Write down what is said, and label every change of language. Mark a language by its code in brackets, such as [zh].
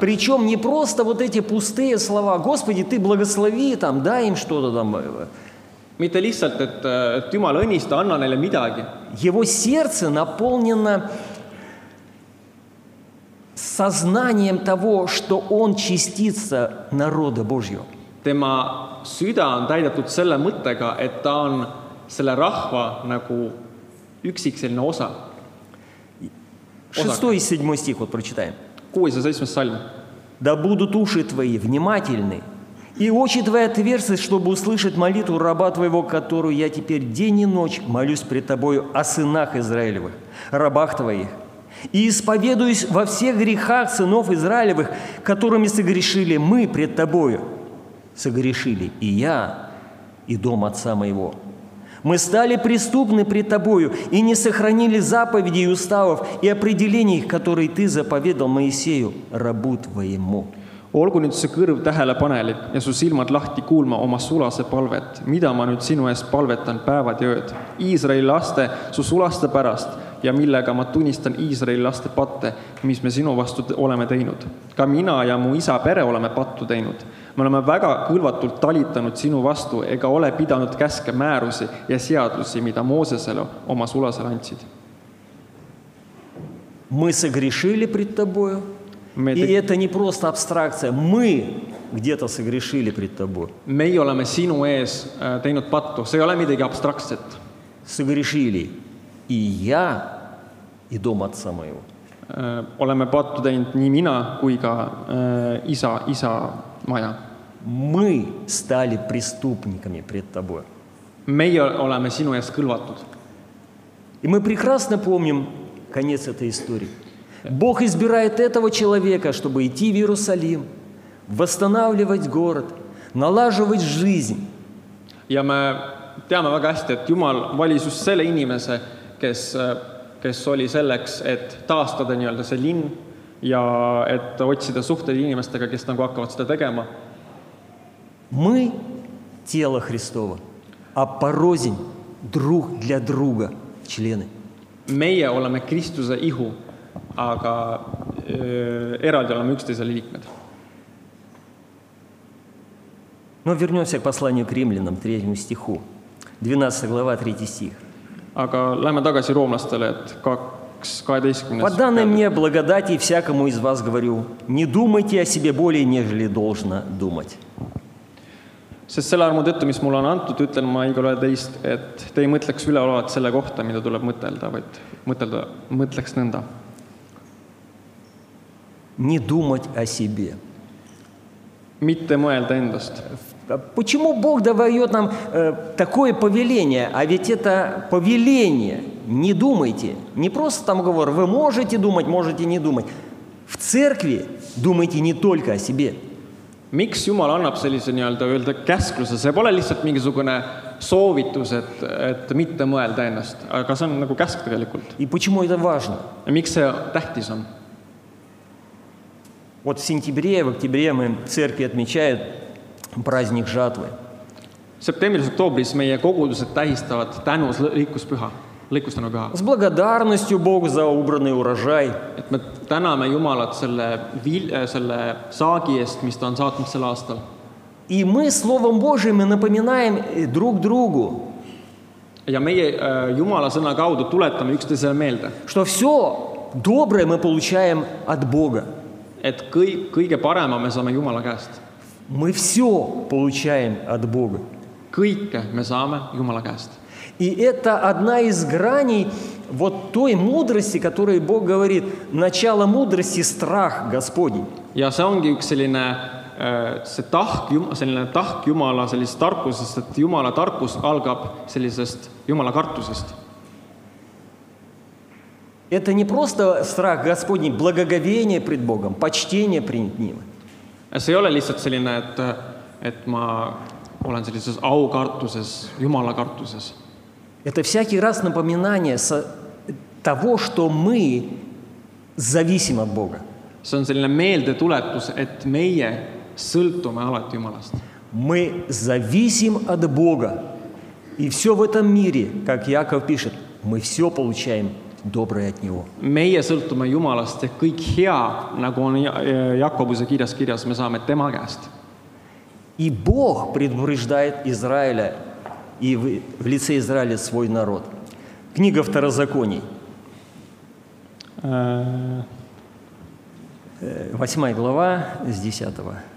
[ru] Причем не просто вот эти пустые слова, Господи, ты благослови там, дай им что-то там. [et] Mitte lihtsalt, et Jumala õnnista, anna neile midagi. [ru] Его сердце наполнено сознанием того, что он частица народа Божьего. [et] Tema süda on täidetud selle mõttega, et ta on selle rahva nagu üksikseline osa. [ru] Шестой и седьмой стих вот прочитаем. Кузя, зависимо сальм. Да будут уши твои внимательны, и очи твои отверсты, чтобы услышать молитву раба твоего, которую я теперь день и ночь молюсь пред тобою о сынах Израилевых, рабах твоих, и исповедуюсь во всех грехах сынов Израилевых, которыми согрешили мы пред тобою, согрешили и я, и дом отца моего. Мы стали преступны пред Тобою и не сохранили заповедей и уставов и определений, которые Ты заповедал Моисею, рабу Твоему. [et] Olgu nüüd see kõrv tähelepanelik ja su silmad lahti kuulma oma sulase palvet, mida ma nüüd sinu eest palvetan päevad ja ööd. Iisraeli laste su sulaste pärast ja millega ma tunnistan Iisraeli laste patte, mis me sinu vastu oleme teinud. Ka mina ja mu isa pere oleme pattu teinud. Me oleme väga kõlvatult talitanud sinu vastu ega ole pidanud käske määrusi ja seadusi, mida Moosesele oma sulasele andsid. [ru] Мы согрешили пред тобою. И это не просто абстракция. Мы где-то согрешили пред тобой. [et] Me ei oleme sinu ees teinud pattu. See ei ole midagi abstraktset. [ru] Согрешили и я, и дом отца моего. [et] Oleme pattu teinud nii mina, kui ka isa maja. [ru] Мы стали преступниками пред тобой. [et] Me oleme sinu ees kõlvatud. [ru] И мы прекрасно помним конец этой истории. Бог избирает этого человека, чтобы идти в Иерусалим, восстанавливать город, налаживать жизнь. [et] Ja me teame väga hästi, et Jumal valis just selle inimese, kes oli selleks, et taastada nii-öelda see linn ja et otsida suhteid inimestega, kes nagu hakkavad seda tegema. [ru] Мы тело Христово, а порознь друг для друга члены. [et] Meie oleme Kristuse ihu, aga eraldi oleme üksteisele liikmed. [ru] No vernemse k poslaniu k rimlinam 3. stihu. 12. glava 3. stih. [et] Aga läheme tagasi roomlastele, et 12. [ru] Подданы мне благодати всякому из вас говорю, не думайте о себе более, нежели должно думать. [et] Sest selle armu tõttu, mis mul on antud, ütlen ma igale teist, et te ei mõtleks üleolevat selle kohta, mida tuleb mõtelda, vaid mõtleks nõnda. [ru] Не думать о себе. [et] Mitte mõelda endast. [ru] Почему Бог дает нам такое повеление? А ведь это повеление. Не думайте. Не просто там говор, вы можете думать, можете не думать. В церкви думайте не только о себе. [et] Miks Jumal annab sellise nii-öelda öelda käskluse? See pole lihtsalt mingisugune soovitus, et mitte mõelda endast. Aga see on nagu käsk tegelikult. [ru] И почему это важно? [et] Miks see tähtis on? [ru] Вот в сентябре, в октябре мы в церкви отмечают праздник жатвы. В сентябре, в октябре мы [et] когудусы тähistavad тänu лыкуспüha, лыкустану püha. [ru] С благодарностью Богу за убранный урожай. [et] Et me täname Jumalat selle saagi eest, mis ta on saatnud sel aastal. [ru] И мы Словом Божиим напоминаем друг другу. [et] Ja meie Jumala sõna kaudu tuletame üksteisele meelde. [ru] Что все доброе мы получаем от Бога. [et] Et kõige parema me saame Jumala käest. [ru] Мы все получаем от Бога. [et] Kõike me saame Jumala käest. [ru] И это одна из граней вот той мудрости, которой Бог говорит, начало мудрости – страх Господень. [et] Ja see ongi üks selline tahk Jumala sellisest tarkusest, et Jumala tarkus algab sellisest Jumala kartusest. [ru] Это не просто страх Господний, благоговение пред Богом, почтение пред Ним. [et] See ei ole lihtsalt selline, et ma olen sellises aukartuses, Jumala kartuses. [ru] Это всякий раз напоминание того, что мы зависим от Бога. [et] See on selline meeldetuletus, et meie sõltume alati Jumalast. [ru] Мы зависим от Бога. И все в этом мире, как Яков пишет, мы все получаем доброе от Него. [et] Meie sõltume Jumalast ja kõik hea, nagu on Jakobuse kirjas, me saame tema käest. [ru] И Бог предупреждает Израиля и в лице Израиля свой народ. Книга Второзаконий. Восьмая глава с десятого.